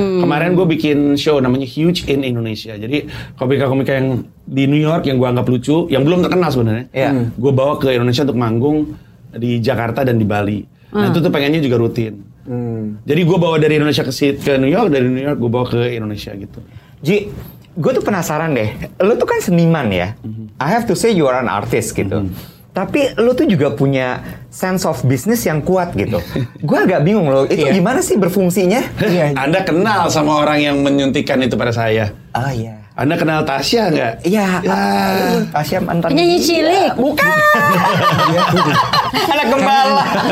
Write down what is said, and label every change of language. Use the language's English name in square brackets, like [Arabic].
[Indonesian] Kemarin gue bikin show namanya Huge in Indonesia. Jadi komika-komika yang di New York yang gue anggap lucu, yang belum terkenal sebenarnya, gue bawa ke Indonesia untuk manggung di Jakarta dan di Bali. Nah itu tuh pengennya juga rutin. Jadi gue bawa dari Indonesia ke New York, dari New York gue bawa ke Indonesia gitu. Ji, gue tuh penasaran deh. Lo tuh kan seniman ya. [English] I have to say you are an artist [Indonesian] gitu. Tapi lo tuh juga punya [English] sense of business [Indonesian] yang kuat gitu. Gue agak bingung lo, itu gimana sih berfungsinya? Anda kenal sama orang yang menyuntikkan itu pada saya? Oh iya. Anda kenal Tasya nggak? Iya. Tasya mantan. Penyanyi cilik? Bukan! Anak gembala.